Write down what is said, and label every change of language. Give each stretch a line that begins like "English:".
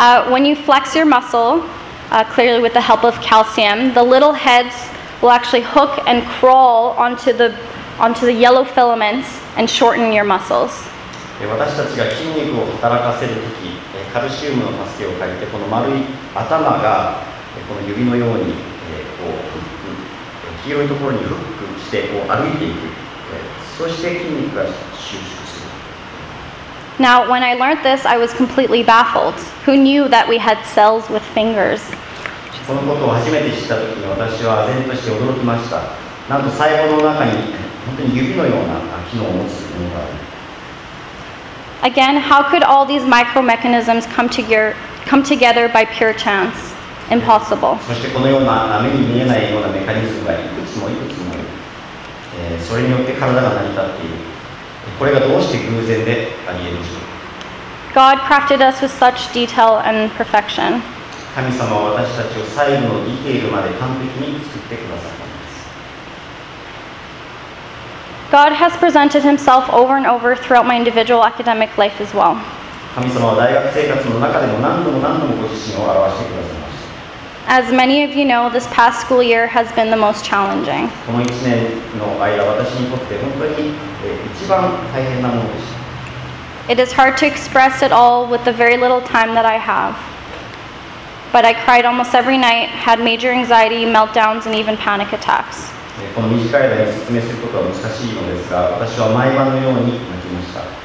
English: when you flex your muscle, clearly with the help of calcium, the little heads will actually hook and crawl onto the yellow filaments and shorten your muscles.
Japanese: 私たちが筋肉を働かせるとき、カルシウムの助けを借りて、この丸い頭がこの指のようにこう黄色いところにフックしてこう歩いていく。そして筋肉が収縮。
English: Now, when I learned this, I was completely baffled. Who knew that we had cells with fingers?
Japanese: このことを初めて知った時に私は唖然として驚きました。なんと細胞の中に本当に指のような機能を持つものがある。
English: Again, how could all these micro mechanisms come together by pure chance? Impossible.
Japanese: そしてこのような目に見えないようなメカニズムがいくつもそれによって体が成り立っている。これがどうして偶然でありえるでしょうか。
English: God crafted us with such detail and perfection.
Japanese: 神様は私たちを細部のディテールまで完璧に作ってくださったんです。
English: God has presented himself over and over throughout my individual academic life as well.
Japanese: 神様は大学生活の中でも何度も何度もご自身を表してくださいました。
English: As many of you know, this past school year has been the most challenging.
Japanese: この1年の間、私にとって本当に一番大変なものでした。
English: It is hard to express it all with the very little time that I have. But I cried almost every night, had major anxiety, meltdowns, and even panic attacks.
Japanese: この短い間に説明することは難しいのですが、私は毎晩のように泣きました。